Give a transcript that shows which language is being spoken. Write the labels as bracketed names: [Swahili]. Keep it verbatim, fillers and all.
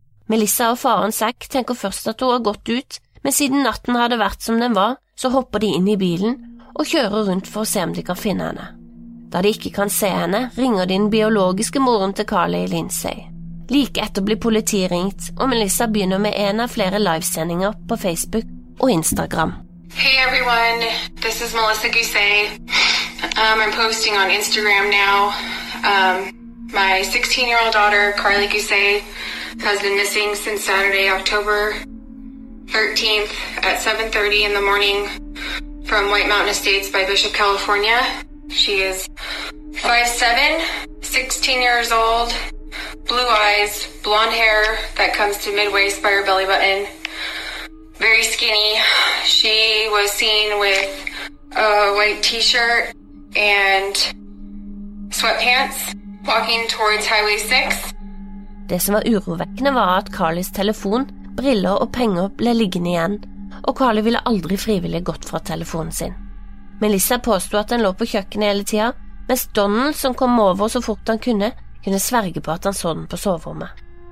[Norwegian] Melissa og faren Zack tenker først at hun har gått ut, men siden natten hadde vært som den var, så hopper de inn i bilen og kjører rundt for å se om de kan finne henne. Da de ikke kan se henne, ringer de den biologiske moren til Carly, Lindsay. Like etter blir politiet ringt, og Melissa begynner med en av flere livesendinger på Facebook og Instagram. [English] Hey everyone, this is Melissa Gousset. Um, I'm posting on Instagram now. Um, my sixteen-year-old daughter, Carly Gousset, has been missing since Saturday, October thirteenth at seven thirty in the morning from White Mountain Estates by Bishop, California. She is five seven, sixteen years old, blue eyes, blonde hair that comes to mid-waist by her belly button. Very skinny. She was seen with a white t-shirt and sweatpants walking towards Highway six. [Norwegian] Det som var urovekkende var at Carlys telefon, briller og penger ble liggende igjen, og Carly ville aldri frivillig gått fra telefonen sin. Melissa påstod at den lå på kjøkkenet hele tiden, mens Donald, som kom over så fort han kunne, kunne sverge på at han så den på soverommet.